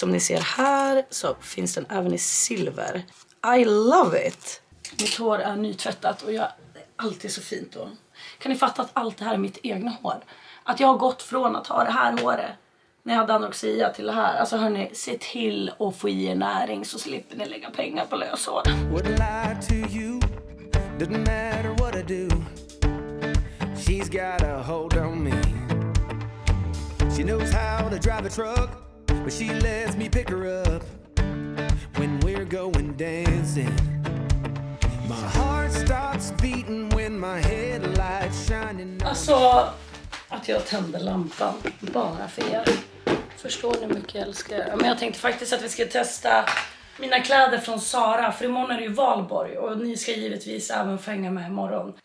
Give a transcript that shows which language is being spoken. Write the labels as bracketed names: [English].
[Swedish] Som ni ser här så finns den även i silver. [English] I love it! [Swedish] Mitt hår är nytvättat och jag, det är alltid så fint då. Kan ni fatta att allt det här är mitt egna hår? Att jag har gått från att ha det här håret när jag hade anoxia till det här. Alltså hörni, se till att få i er näring så slipper ni lägga pengar på löshår. [English] Wouldn't lie to you, didn't matter what I do. She's got a hold on me. She knows how to drive a truck, but she lets me pick her up when we're going dancing. My heart stops beating when my headlights shining. [Swedish] Alltså, att jag tände lampan bara för er. Förstår ni hur mycket jag älskar er? Men jag tänkte faktiskt att vi ska testa mina kläder från Zara. För imorgon är det ju Valborg. Och ni ska givetvis även få hänga med imorgon.